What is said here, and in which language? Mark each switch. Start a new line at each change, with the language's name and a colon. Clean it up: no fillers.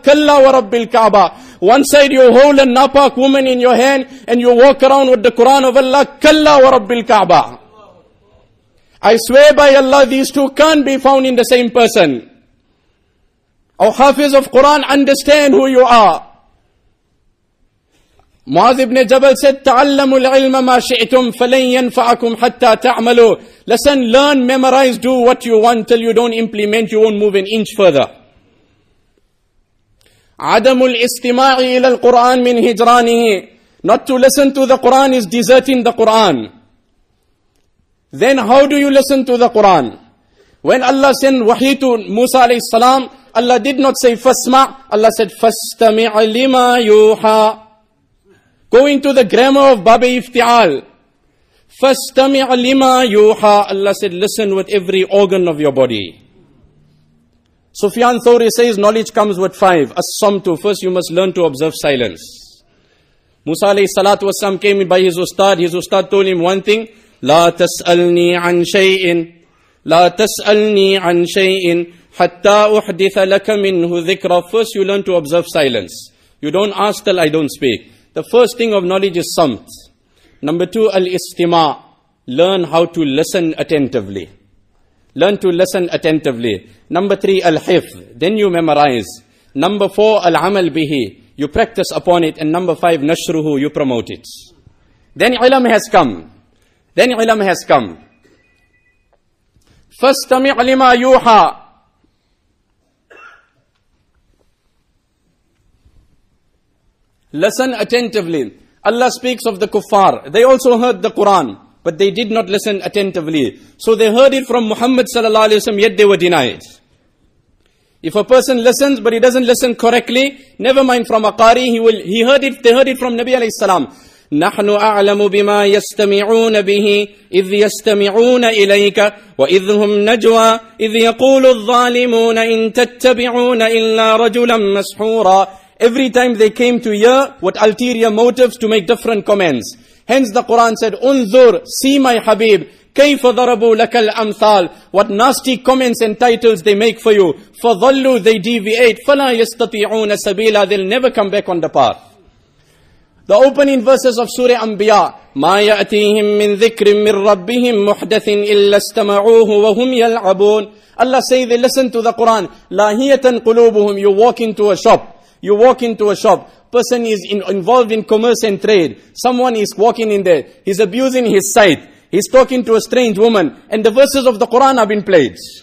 Arabic: Kalla wa rabbil Ka'ba.
English: One side you hold a napak woman in your hand and you walk around with the Quran of Allah.
Arabic: Kalla wa rabbil Ka'ba.
English: I swear by Allah, these two can't be found in the same person. O Hafiz of Quran, understand who you are.
Arabic: Mu'adh ibn Jabal said, تَعَلَّمُ الْعِلْمَ مَا شِئْتُمْ فَلَنْ يَنْفَعَكُمْ حَتَّى تَعْمَلُوا.
English: Listen, learn, memorize, do what you want. Till you don't implement, you won't move an inch further.
Arabic: عَدَمُ الْإِسْتِمَاعِ إِلَى الْقُرْآنِ مِنْ هِجْرَانِهِ.
English: Not to listen to the Quran is deserting the Quran. Then how do you listen to the Quran? When Allah sent wahi to Musa alayhi salam, Allah did not say fasma, Allah said
Arabic: fastami'a lima yuha.
English: Going to the grammar of Babi Iftial,
Arabic: fastami'a lima yuha,
English: Allah said listen with every organ of your body. Sufyan Thawri says knowledge comes with five, as-samtu, first you must learn to observe silence. Musa alayhi salatu wasalam came by his ustad told him one thing,
Arabic: la tas'alni an shay'in. لا تسألني عن شيء حتى أحدث لك منه ذكرى.
English: First you learn to observe silence. You don't ask till I don't speak. The first thing of knowledge is samt. Number two, الاستماع. Learn how to listen attentively. Learn to listen attentively. Number three, الحفظ. Then you memorize. Number four,
Arabic: العمل به.
English: You practice upon it. And number five, نشره. You promote it. Then علم has come. Then علم has come.
Arabic: فَاسْتَمِعْ لِمَا يُوحَى.
English: Listen attentively. Allah speaks of the kuffar. They also heard the Quran, but they did not listen attentively. So they heard it from Muhammad sallallahu alaihi wasallam, yet they were denied. If a person listens, but he doesn't listen correctly, never mind from a qari, they heard it from Nabi alayhi salam.
Arabic: نحن أعلم بما يستمعون به إذ يستمعون إليك وإذ هم نجوى إذ يقول الظالمون إن تتبعون إلا رجلا مسحورا.
English: Every time they came to hear what ulterior motives to make different comments. Hence the Quran said, انظر, see my Habib,
Arabic: كيف ضربوا لك الأمثال.
English: What nasty comments and titles they make for you. فظلوا, they deviate.
Arabic: فلا يستطيعون سبيلا.
English: They'll never come back on the path. The opening verses of Surah Anbiya,
Arabic: مَا يَأْتِيهِمْ مِنْ ذِكْرٍ مِنْ رَبِّهِمْ مُحْدَثٍ إِلَّا اسْتَمَعُوهُ وَهُمْ يَلْعَبُونَ.
English: Allah say they listen to the Quran.
Arabic: لَاهِيَةً قُلُوبُهُمْ.
English: You walk into a shop. You walk into a shop. Person is involved in commerce and trade. Someone is walking in there. He's abusing his sight. He's talking to a strange woman. And the verses of the Quran have been played.